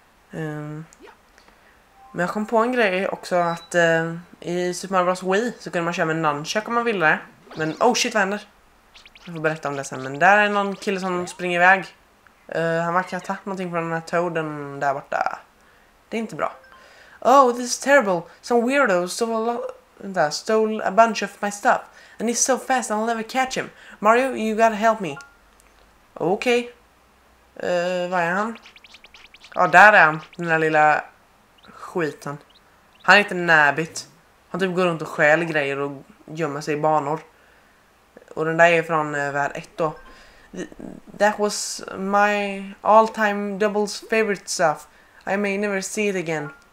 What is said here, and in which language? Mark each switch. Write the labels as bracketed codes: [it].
[sv] Men jag kom på en grej också att i Super Mario Bros. Wii så kunde man köra med nunchuck om man ville det. Men [en] oh shit, [sv] vad händer? Jag får berätta om det sen. Men där är någon kille som springer iväg. Han verkar ha tagit någonting från den här toaden där borta. Det är inte bra. [en] Oh, this is terrible. Some weirdo stole a bunch of my stuff. And he's so fast I'll never catch him. Mario, you gotta help me. [sv] Okej. Var är han? Ja, där är han, den där lilla skiten. Han är inte Nabbit. Han typ går runt och stjäl grejer och gömmer sig i banor. Och den där är från värld 1 då. [en] That was my all time doubles favorite stuff. I may never see it again.